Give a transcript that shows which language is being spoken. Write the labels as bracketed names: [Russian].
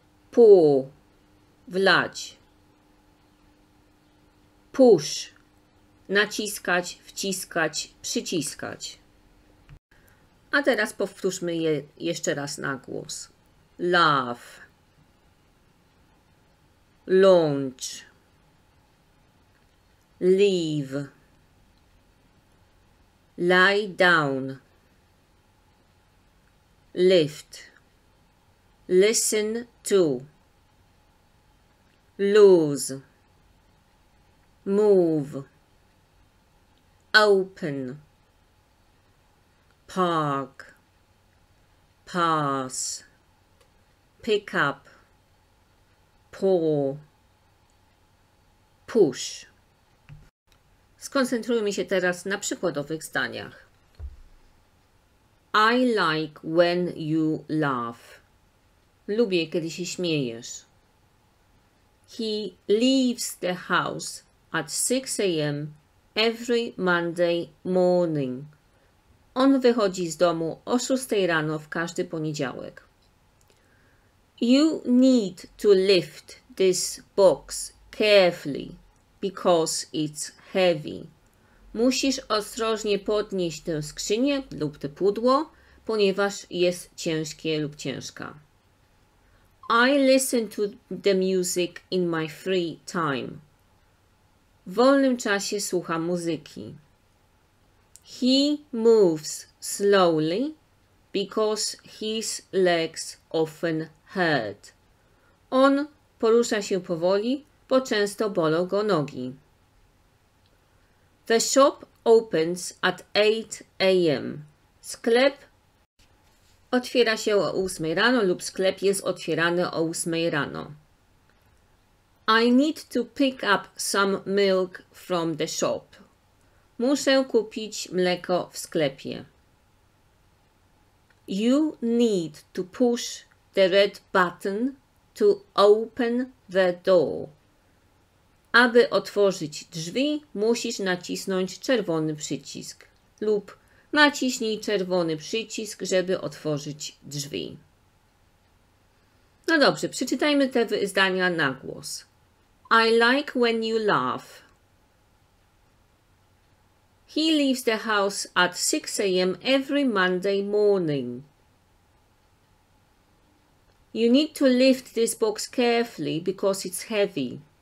[English] Pull, wlać. [Polish] Push, naciskać, wciskać, przyciskać. A teraz powtórzmy je jeszcze raz na głos. [English] Laugh, launch, leave, lie down, lift, listen to, lose, move, open, park, pass, pick up, pull, push. [Polish] Skoncentrujmy się teraz na przykładowych zdaniach. [English] I like when you laugh. [Polish] Lubię, kiedy się śmiejesz. [English] He leaves the house at 6 a.m. every Monday morning. [Polish] On wychodzi z domu o 6 rano w każdy poniedziałek. [English] You need to lift this box carefully because it's heavy. [Polish] Musisz ostrożnie podnieść tę skrzynię lub to pudło, ponieważ jest ciężkie lub ciężka. [English] I listen to the music in my free time. [Polish] W wolnym czasie słucham muzyki. [English] He moves slowly because his legs often hurt. [Polish] On porusza się powoli, bo często bolą go nogi. [English] The shop opens at 8 a.m. [Polish] Sklep otwiera się o 8 rano lub sklep jest otwierany o 8 rano. [English] I need to pick up some milk from the shop. [Polish] Muszę kupić mleko w sklepie. [English] You need to push the red button to open the door. [Polish] Aby otworzyć drzwi, musisz nacisnąć czerwony przycisk lub naciśnij czerwony przycisk, żeby otworzyć drzwi. No dobrze, przeczytajmy te zdania na głos. [English] I like when you laugh. He leaves the house at 6 a.m. every Monday morning. You need to lift this box carefully because it's heavy.